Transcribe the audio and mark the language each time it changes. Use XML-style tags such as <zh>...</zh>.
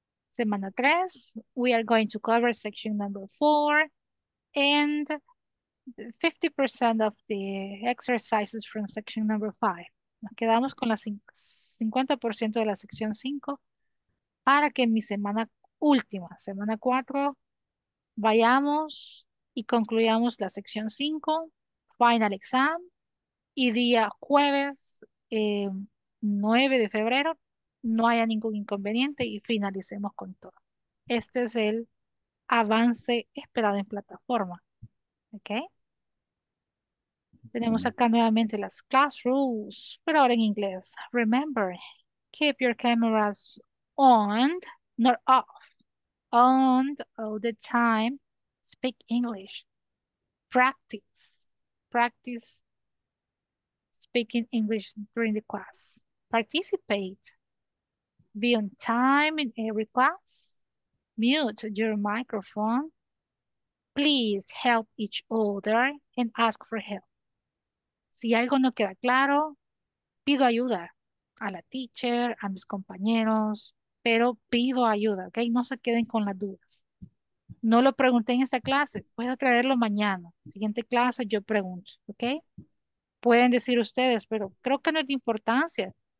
<es>Semana 3,</es> <en>we are going to cover section number 4 and 50% of the exercises from section number 5.</en> <es>Nos quedamos con la 50% de la sección 5 para que en mi semana última, semana 4, vayamos y concluyamos la sección 5,</es> <en>final exam,</en> <es>y día jueves 9 de febrero no haya ningún inconveniente y finalicemos con todo. Este es el avance esperado en plataforma. ¿Ok? Tenemos acá nuevamente las class rules, pero ahora en inglés.</es> <en>Remember, keep your cameras on, not off. On all the time. Speak English. Practice. Practice speaking English during the class. Participate. Be on time in every class. Mute your microphone. Please help each other and ask for help.</en> <es>Si algo no queda claro, pido ayuda a la teacher, a mis compañeros, pero pido ayuda, ¿ok? No se queden con las dudas. No lo pregunté en esta clase, puedo traerlo mañana. Siguiente clase, yo pregunto, ¿ok? Pueden decir ustedes, pero creo que no es de importancia.</es>